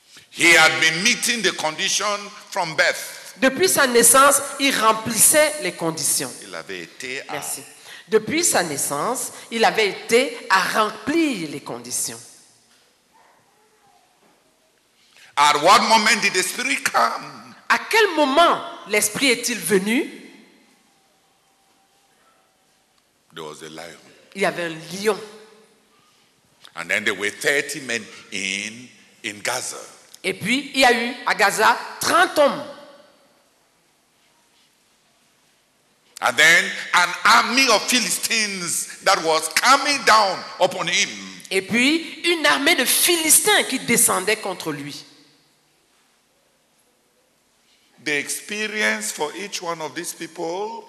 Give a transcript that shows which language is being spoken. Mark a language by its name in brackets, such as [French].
[English] He had been meeting the condition from birth. [French] Depuis sa naissance, il remplissait les conditions. Il avait été. Merci. Depuis sa naissance, il avait été à remplir les conditions. [English] At what moment did the Spirit come? [French] À quel moment l'Esprit est-il venu? [English] There was a lion. [French] Il y avait un lion. [English] And then there were 30 men in Gaza. [French] Et puis, il y a eu à Gaza 30 hommes. [English] And then an army of Philistines that was coming down upon him. [French] Et puis une armée de Philistins qui descendait contre lui. [English] The experience for each one of these people.